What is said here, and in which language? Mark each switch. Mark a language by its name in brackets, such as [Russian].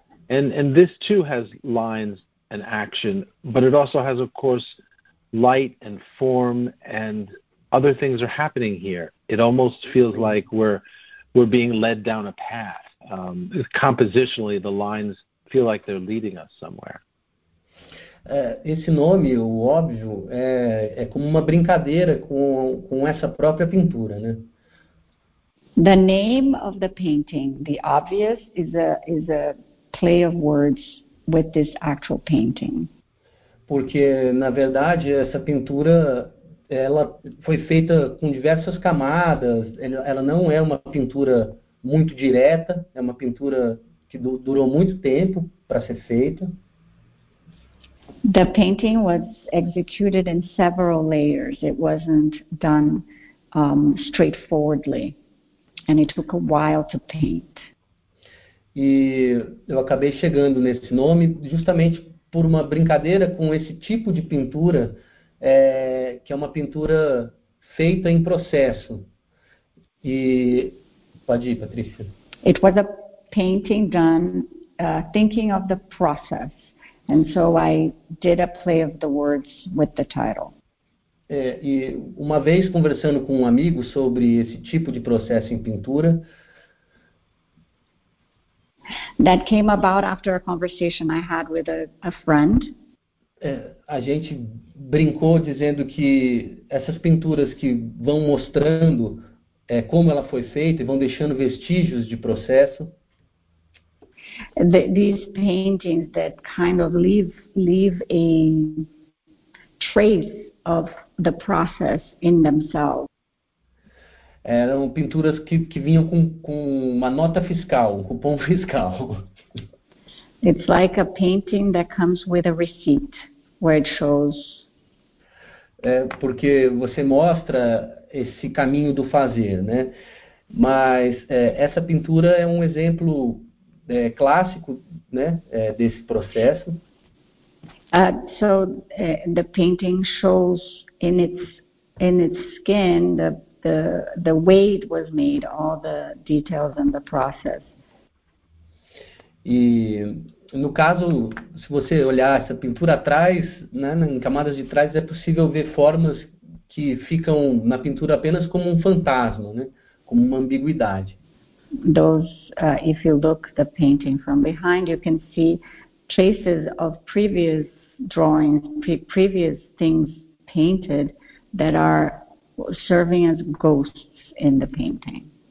[English] And this, too, has lines and action. But it also has, of course, light and form, and other things are happening here. It almost feels like we're being led down a path. Compositionally, the lines feel like they're leading us somewhere. [Portuguese] Esse nome, o óbvio, é como uma brincadeira com essa própria pintura, né? [English] The name of the painting, The Obvious, is a play of words with this actual painting. [Portuguese] Porque, na verdade, essa pintura, ela foi feita com diversas camadas, ela não é uma pintura muito direta, é uma pintura que durou muito tempo para ser feita. [English] The painting was executed in several layers. It wasn't done straightforwardly, and it took a while to paint. [Portuguese] E eu acabei chegando nesse nome justamente por uma brincadeira com esse tipo de pintura, que é uma pintura feita em processo. E pode ir, Patrícia. [English] It was a painting done thinking of the process. And so I did a play of the words with the title. [Portuguese] E uma vez conversando com um amigo sobre esse tipo de processo em pintura, [English] that came about after a conversation I had with a friend. [Portuguese] A gente brincou dizendo que essas pinturas que vão mostrando como ela foi feita e vão deixando vestígios de processo. [English] These paintings that kind of leave a trace of the process in themselves. [Portuguese] Eram pinturas que vinham com uma nota fiscal, um cupom fiscal. [English] It's like a painting that comes with a receipt, where it shows. [Portuguese] Porque você mostra esse caminho do fazer, né? Mas essa pintura é um exemplo clássico, né, desse processo. [English] So the painting shows in its skin the way it was made, all the details and the process. [Portuguese] E no caso, se você olhar essa pintura atrás, né, em camadas de trás, é possível ver formas que ficam na pintura apenas como um fantasma, né, como uma ambiguidade. [English] Those, if you look the painting from behind, you can see traces of previous drawings, previous things painted that are serving as ghosts in the painting.